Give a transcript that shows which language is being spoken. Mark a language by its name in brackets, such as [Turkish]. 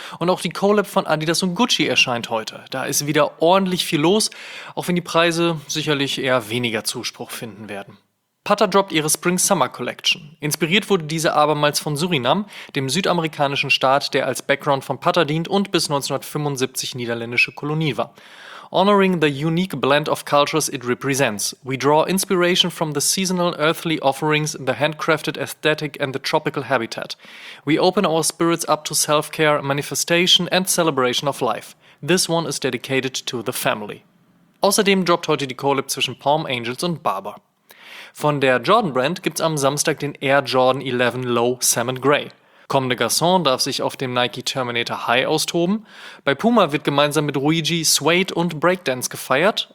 [German] Und auch die Collab von Adidas und Gucci erscheint heute. Da ist wieder ordentlich viel los, auch wenn die Preise sicherlich eher weniger Zuspruch finden werden. Patta droppt ihre Spring-Summer-Collection. Inspiriert wurde diese abermals von Suriname, dem südamerikanischen Staat, der als Background von Patta dient und bis 1975 niederländische Kolonie war. [English] Honoring the unique blend of cultures it represents, we draw inspiration from the seasonal earthly offerings, the handcrafted aesthetic and the tropical habitat. We open our spirits up to self-care, manifestation and celebration of life. This one is dedicated to the family. [German] Außerdem droppt heute die Collab zwischen Palm Angels und Barber. Von der Jordan Brand gibt's am Samstag den Air Jordan 11 Low Salmon Grey. Comme des Garçons darf sich auf dem Nike Terminator High austoben. Bei Puma wird gemeinsam mit Ruigi Suede und Breakdance gefeiert.